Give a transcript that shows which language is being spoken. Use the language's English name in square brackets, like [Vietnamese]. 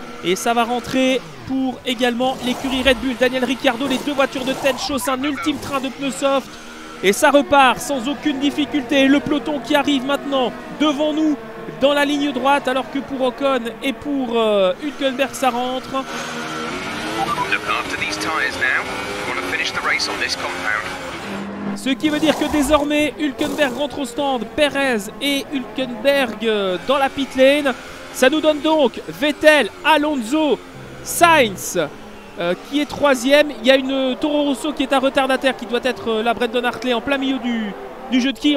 [French] Et ça va rentrer pour également l'écurie Red Bull. Daniel Ricciardo, les deux voitures de tête chaussent un ultime train de pneus soft. Et ça repart sans aucune difficulté. Le peloton qui arrive maintenant devant nous dans la ligne droite. Alors que pour Ocon et pour Hülkenberg, ça rentre. [English] Look after these tires now. We want to finish the race on this compound. [French] Ce qui veut dire que désormais, Hülkenberg rentre au stand, Perez et Hülkenberg dans la pit lane. Ça nous donne donc Vettel, Alonso, Sainz qui est troisième. Il y a une Toro Rosso qui est un retardataire qui doit être la Brendan Hartley en plein milieu du jeu de quilles.